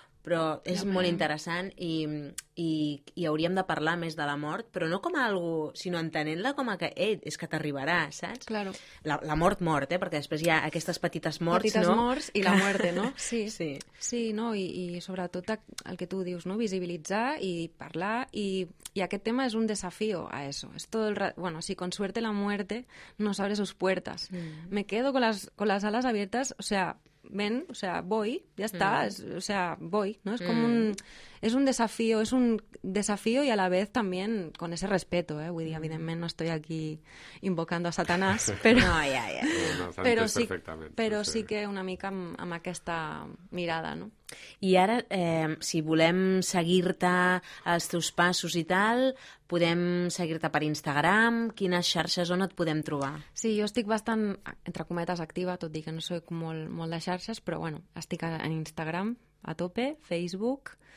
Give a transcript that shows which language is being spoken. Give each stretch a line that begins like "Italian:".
Catalan: Però és molt interessant i hauríem de parlar més de la mort, però no com a algú, sinó entenent-la com a que, és que t'arribarà, saps?
Spanish: Claro.
Catalan: La mort, perquè després hi ha aquestes petites morts, petites, no? Petites morts i la muerte, no? Sí. Sí. Sí, no, i sobretot el que tu dius, no? Visibilitzar i parlar, i aquest tema és un
Spanish: desafío a eso. Es todo el bueno, si con suerte la muerte nos abre sus puertas. Mm. Me quedo con las alas abiertas, o sea... Ven, o sea, voy, ya está, o sea, voy, ¿no? Es como es un desafío y a la vez también con ese respeto, ¿eh?
Catalan: Vull dir, evidentment
Spanish: no estoy aquí invocando a Satanás, pero... No,
Catalan: pero sí que una mica amb aquesta mirada, ¿no? I ara, si volem seguir-te els teus passos i tal, podem seguir-te per Instagram, quines xarxes, on et podem trobar? Sí, jo estic bastant, entre cometes, activa, tot i que no soc molt, molt de xarxes, però bueno, estic en Instagram, a tope, Facebook...